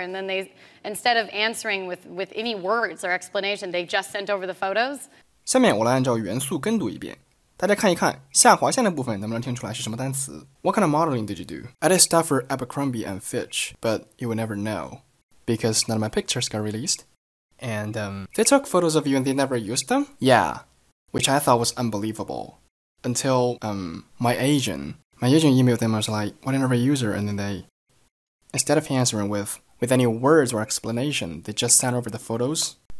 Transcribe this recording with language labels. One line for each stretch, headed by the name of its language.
English: And then they, instead of answering with any words or explanation, they just sent over the photos.
Chinese: 下面我来按照原速跟读一遍。大家看一看下划线的部分能不能听出来是什么单词。
English: What kind of modeling did you do? I did stuff for Abercrombie and Fitch, but you will never know. Because none of my pictures got released. And they took photos of you and they never used them? Yeah. Which I thought was unbelievable. Until my agent emailed them and was like, why didn't I use her? And then they, instead of answering with any words or explanation, they just sent over the photos.